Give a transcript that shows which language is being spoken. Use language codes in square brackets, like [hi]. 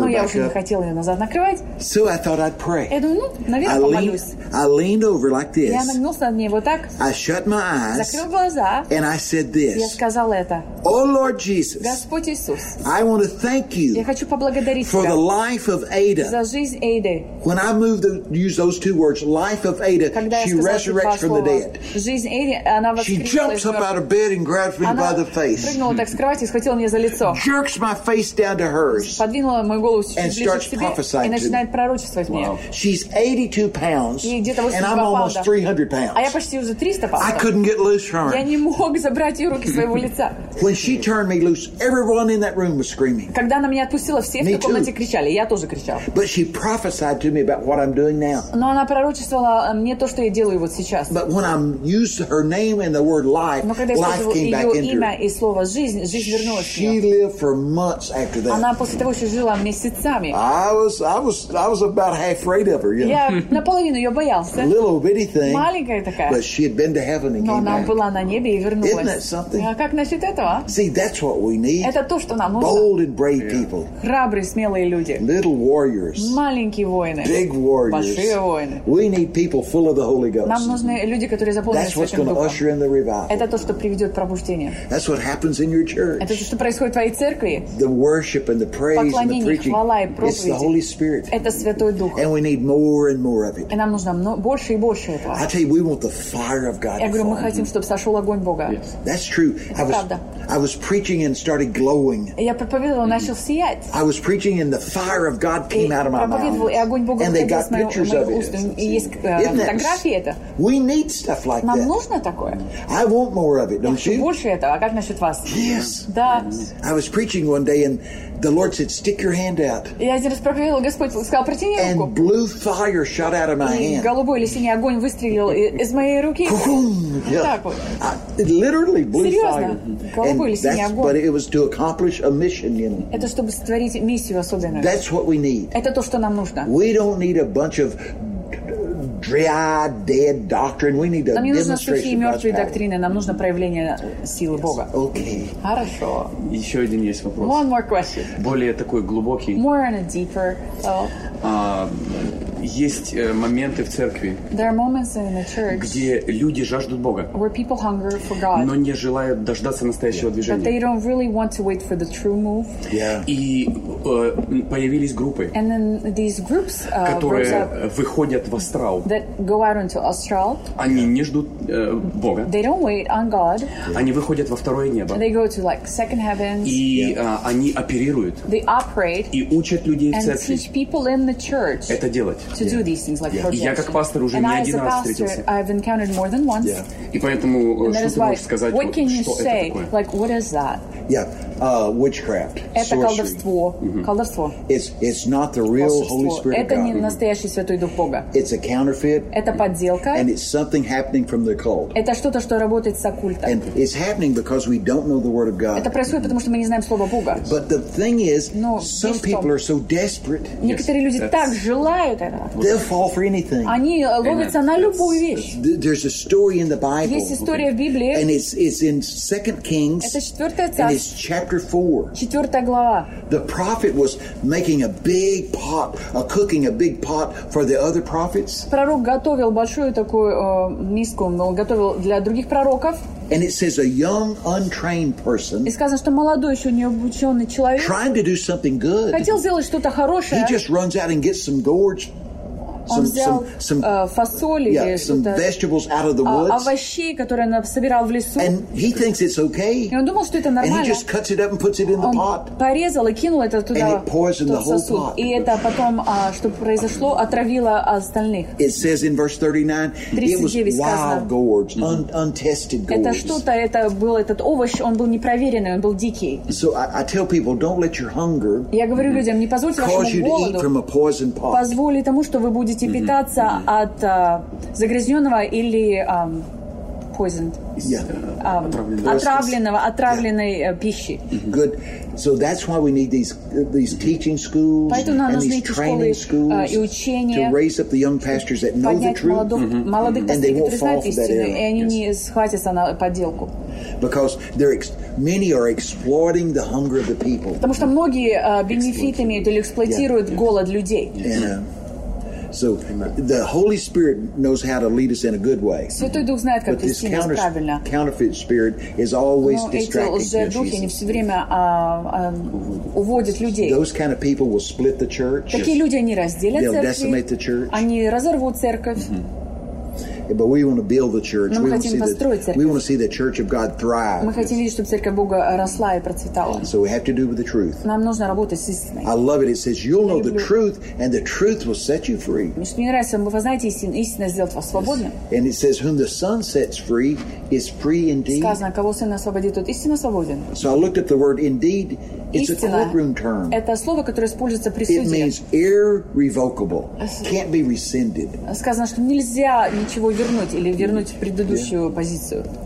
[ru] Но я уже не хотела ее назад накрывать. [en] So I thought I'd pray. [ru] Я думаю, ну, наверное, помолюсь. [en] I leaned over like this. [ru] Я нагнулся над ней вот так. [en] I shut my eyes. [ru] Закрыл глаза. [en] And I said this. [ru] Я сказала это. [en] Oh, Lord Jesus. [ru] Господь Иисус. [en] I want to thank you. [ru] Я хочу поблагодарить тебя. [en] For the life of Ada. [ru] За жизнь Эйды. [en] When I moved to use those two words, life of Ada, she resurrects from the dead. [ru] Жизнь Эйды, она воскресла. [en] She jumps up out of bed and grabs me by the face. [ru] Она прыгнула так с кровати и схватила меня за лицо. [en] Jerks my face down to hers. [ru] Подвинула мой голову ближе к себе. [en] And starts prophesying. [ru] И начинает пророчествовать мне. [en] She's 82 pounds. And I'm almost 300 pounds. [ru] А я почти уже 300 паунда. [en] I couldn't get loose from her. [ru] Я не мог забрать ее руки своего лица. [en] When she turned me loose, everyone in that room was screaming. [ru] Когда она меня отпустила, все в комнате кричали. Я тоже. тоже кричал. [en] But she prophesied to me about what I'm doing now. [ru] Но она пророчествовала мне то, что я делаю вот сейчас. [en] But when I used her name and the word life, life came back into her. [ru] Но когда я сказал ее имя и слово жизнь, жизнь вернулась. [en] She lived for months after that. [ru] Она после того, что жила месяцами. [en] I was about half afraid of her. [ru] Я наполовину ее боялся. [en] Little bitty thing. [ru] Маленькая такая. [en] But she had been to heaven and came back. [ru] Но она была на небе и вернулась. [en] Isn't that something? [ru] А как насчет этого? [en] See, that's what we need. [ru] Это то, что нам нужно. [en] Bold and brave people. [ru] Храбрые, смелые люди. [en] Little warriors. [ru] Маленькие воины. [en] Big warriors. [ru] Большие воины. [en] We need people full of the Holy Ghost. [ru] Нам нужны люди, которые заполнены Святым Духом. [en] That's what's going to usher in the revival. [ru] Это то, что приведет пробуждение. [en] That's what happens in your church. [ru] Это то, что происходит в твоей церкви. [en] The worship and the praise and the preaching. [ru] Поклонение, хвала и проповеди. [en] It's the Holy Spirit. [ru] Это Святой Дух. [en] And we need more and more of it. [ru] И нам нужно больше и больше этого. [en] I tell you, we want the fire of God. [ru] Я говорю, мы хотим, чтобы сошел огонь Бога. [en] That's true. [ru] Это правда. [en] I was preaching and started glowing. [ru] Я проповедовал, начал сиять. [en] I was preaching and the fire of God came out of my mouth. [ru] И огонь Бога [en] and they got pictures of it. We need stuff like [ru] нам [en] that. [ru] Нам нужно такое. [en] I want more of it, don't [ru] я хочу [en] you? [ru] Больше этого. А как насчет вас? [en] Yes. [ru] Да. [en] I was preaching one day and the Lord said, "Stick your hand out." [ru] Я один раз проповедовал, Господь сказал, протяни руку. [en] And blue fire shot out of my hand. [ru] Голубой или синий огонь выстрелил из моей руки. [en] Yeah. [ru] Вот так вот. [en] Literally blue [ru] серьезно? [en] Fire. But it was to accomplish a mission, you know. [ru] Это чтобы створить миссию особенную. [en] That's what we need. [ru] Это то, что нам нужно. [en] We don't need a bunch of dry, dead doctrine. We need a [ru] нам Нам не нужны сухие мертвые доктрины. Нам нужно проявление силы [en] yes. [ru] Бога. [en] Okay. [ru] Хорошо. Еще один есть вопрос. [en] One more question. [ru] Более такой глубокий. [en] More on a deeper level. [ru] Есть моменты в церкви, [en] church, [ru] где люди жаждут Бога, [en] God, [ru] но не желают дождаться настоящего движения. [en] Really [ru] yeah. И появились группы, [en] groups, [ru] которые выходят в астрал. [en] Astral, [ru] они не ждут Бога. [en] God, [ru] они выходят во второе небо. [en] To, like, heavens, [ru] и они оперируют. [en] Operate, [ru] и учат людей в церкви [en] church, [ru] это делать. [en] To do these things like projection. [ru] Я как пастор уже [en] and [ru] не один раз встретился. [en] I've encountered more than once. [ru] И поэтому что ты можешь сказать, [en] what can you [ru] что [en] say? [ru] Это такое? [en] Like what is that? Yeah, witchcraft. [ru] Это колдовство. Колдовство. [en] It's not the real Holy Spirit of God. [ru] Это не настоящий Святой Дух Бога. [en] It's a counterfeit. [ru] Это подделка. [en] And it's something happening from the occult. [ru] Это что-то, что работает с оккультом. [en] And it's happening because we don't know the word of God. [ru] Это происходит потому, что мы не знаем слово Бога. [en] But the thing is, some people are so desperate. [ru] Некоторые люди так желают этого. [en] They'll fall for anything. [ru] Они ловятся на любую вещь. [en] There's a story in the Bible. [ru] Есть история в Библии. [en] And it's in 2 Kings. [ru] Это 4 Царство. [en] And it's chapter 4. [ru] Четвертая глава. [en] The prophet was making a big pot, cooking a big pot for the other prophets. [ru] Пророк готовил большую такую миску, он готовил для других пророков. [en] And it says a young, untrained person. [ru] И сказано, что молодой еще не обученный человек. [en] Trying to do something good. [ru] Хотел сделать что-то хорошее. [en] He just runs out and gets some gourds. Some vegetables out of the woods. [ru] Овощи, которые он собирал в лесу. [en] And he thinks it's okay. [ru] И он думал, что это нормально. [en] And he just cuts it up and puts it in the pot. [ru] Порезал и кинул это туда. [en] And it poisoned the whole pot. [ru] И это потом, что произошло, отравило остальных. [en] It says in verse 39, it was wild gourds, untested gourds. [ru] Это что-то, это был этот овощ, он был непроверенный, он был дикий. [en] So I tell people, don't let your hunger. [ru] Я говорю людям, не позвольте вашему голоду. [en] Cause you to eat from a poison pot. [ru] Будете питаться от загрязненного или poisoned. Отравленной пищи. [en] Good. So that's why we need these teaching schools and these training schools to raise up the young pastors that know the truth and they won't fall for that error. [ru] И они не схватятся на подделку. [en] Because many are exploiting the hunger of the people. [ru] Потому что многие бенефит имеют или эксплуатируют голод людей. [en] So the Holy Spirit knows how to lead us in a good way. [ru] Святой Дух знает, как вести нас правильно. [en] But this counterfeit spirit is always distracting. [ru] Но эти лжедухи не все время уводят людей. [en] Those kind of people will split the church. [ru] Такие люди они разделят церковь. [en] They'll decimate the church. [ru] Они разорвут церковь. [en] But we want to build the church. [ru] Мы хотим построить церковь. [en] We want to see the church of God thrive. [ru] Мы хотим видеть, чтобы церковь Бога росла и процветала. [en] So we have to do with the truth. [ru] Нам нужно работать с истиной. [en] I love it. It says, "You'll know the truth, and the truth will set you free." [ru] Мне нравится, вы знаете истину, истина сделает вас свободным. [en] And it says, "Whom the Son sets free is free indeed." [ru] Сказано, кого Сын освободит, тот истинно свободен. [en] So I looked at the word "indeed." It's a courtroom term. [ru] Это слово, которое используется при суде. [en] It means irrevocable. Can't be rescinded. [ru] Сказано, что нельзя ничего вернуть или вернуть предыдущую позицию.